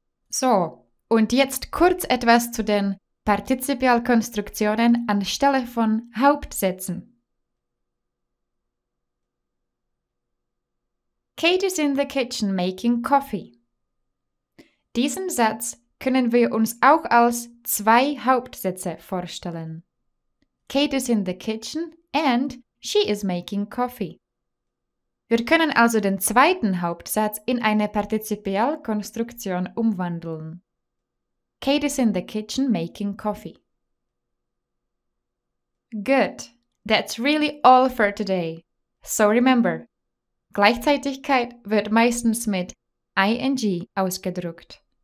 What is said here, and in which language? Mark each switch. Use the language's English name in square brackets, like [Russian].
[German] So, und jetzt kurz etwas zu den Partizipialkonstruktionen anstelle von Hauptsätzen. [English] Kate is in the kitchen making coffee. [German] Diesen Satz können wir uns auch als zwei Hauptsätze vorstellen. [English] Kate is in the kitchen and she is making coffee. [German] Wir können also den zweiten Hauptsatz in eine Partizipialkonstruktion umwandeln. [English] Kate is in the kitchen making coffee. Good, that's really all for today. So remember, [German] Gleichzeitigkeit wird meistens mit ing ausgedrückt.